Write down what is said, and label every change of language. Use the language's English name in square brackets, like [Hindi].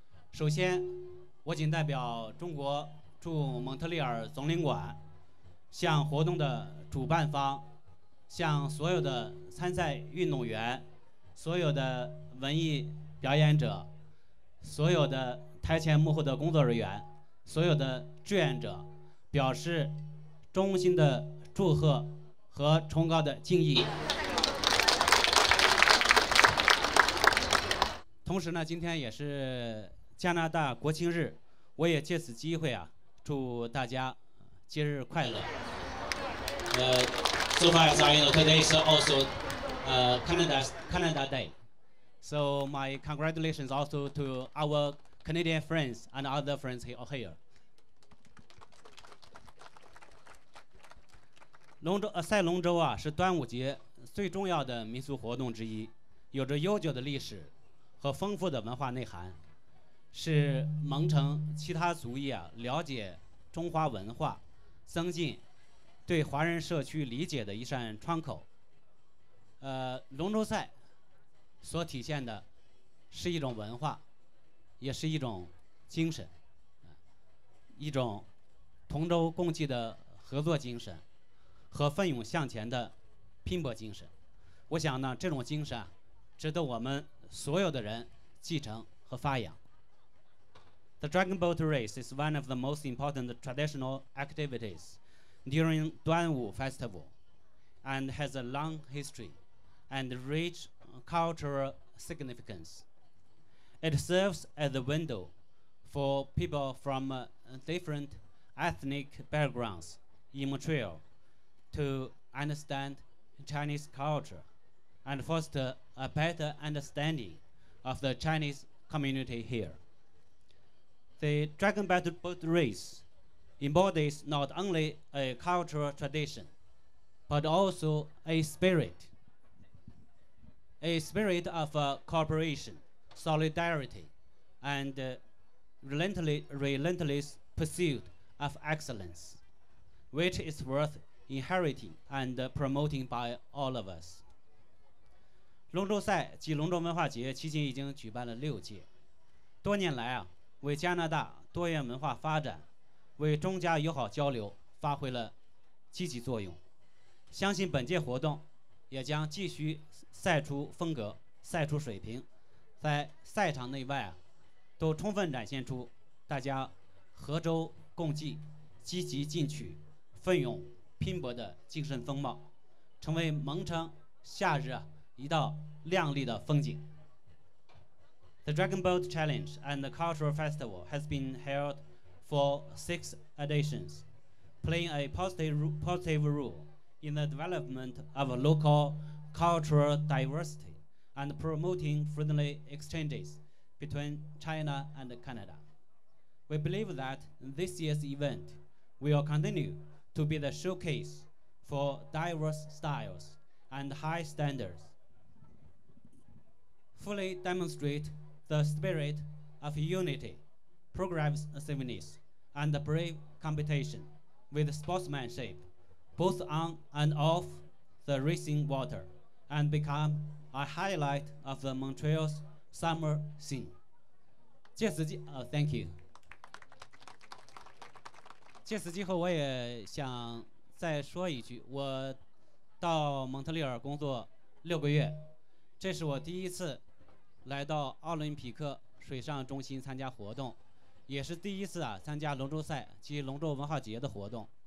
[Chinese] 首先，我仅代表中国驻蒙特利尔总领馆向活动的主办方、向所有的参赛运动员、所有的文艺表演者、所有的台前幕后的工作人员、所有的志愿者表示衷心的祝贺和崇高的敬意。同时呢，今天也是加拿大国庆日，我也借此机会啊，祝大家节日快乐。 [English] So far as I know, today is also Canada Day. So my congratulations also to our Canadian friends and other friends here. [Chinese] Longzhou 是端午节最重要的民俗活动之一，有着悠久的历史和丰富的文化内涵，是蒙城其他族裔了解中华文化、增进对华人社区理解的一扇窗口。龙舟赛所体现的是一种文化，也是一种精神，一种同舟共济的合作精神和奋勇向前的拼搏精神。我想呢，这种精神值得我们所有的人继承和发扬。 [English] The Dragon Boat Race is one of the most important traditional activities during Duanwu Festival and has a long history and rich cultural significance. It serves as a window for people from different ethnic backgrounds in Montreal to understand Chinese culture and foster a better understanding of the Chinese community here. The Dragon Boat Race embodies not only a cultural tradition, but also a spirit of cooperation, solidarity, and relentless pursuit of excellence, which is worth inheriting and promoting by all of us. [Chinese] 龙舟赛及龙舟文化节迄今已经举办了六届，多年来为加拿大多元文化发展，为中加友好交流发挥了积极作用，相信本届活动也将继续赛出风格、赛出水平，在赛场内外都充分展现出大家合舟共济、积极进取、奋勇拼搏的精神风貌，成为蒙城夏日一道亮丽的风景。 [English] The Dragon Boat Challenge and the Cultural Festival has been held for 6 editions, playing a positive role in the development of local cultural diversity and promoting friendly exchanges between China and Canada. We believe that this year's event will continue to be the showcase for diverse styles and high standards, fully demonstrate the spirit of unity, progressiveness, and brave competition with sportsmanship, both on and off the racing water, and become a highlight of the Montreal's summer scene. [Chinese] 借此机 [English] thank you. [Chinese] 借此机会我也想再说一句，我到蒙特利尔工作六个月，这是我第一次来到奥林匹克水上中心参加活动，也是第一次参加龙舟赛及龙舟文化节的活动。